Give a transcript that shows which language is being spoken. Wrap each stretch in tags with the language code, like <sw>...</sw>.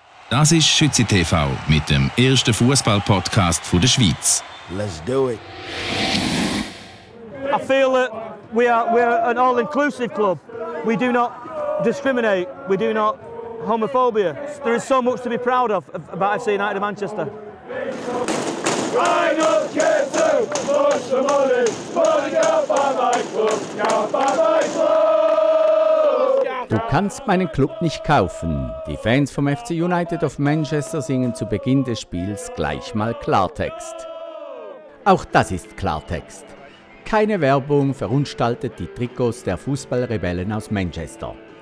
<de>Das ist Schützi TV mit dem ersten Fußball-Podcast der Schweiz.</de> <en>Let's do it. I feel that we are an all-inclusive club. We do not discriminate. We do not homophobia. There is so much to be proud of about FC United of Manchester. I don't care to push the money, but I can't buy my club, can't buy my club.</en> <de>Du kannst meinen Club nicht kaufen. Die Fans vom FC United of Manchester singen zu Beginn des Spiels gleich mal Klartext. Auch das ist Klartext. Keine Werbung verunstaltet die Trikots der Fußballrebellen aus Manchester.</de>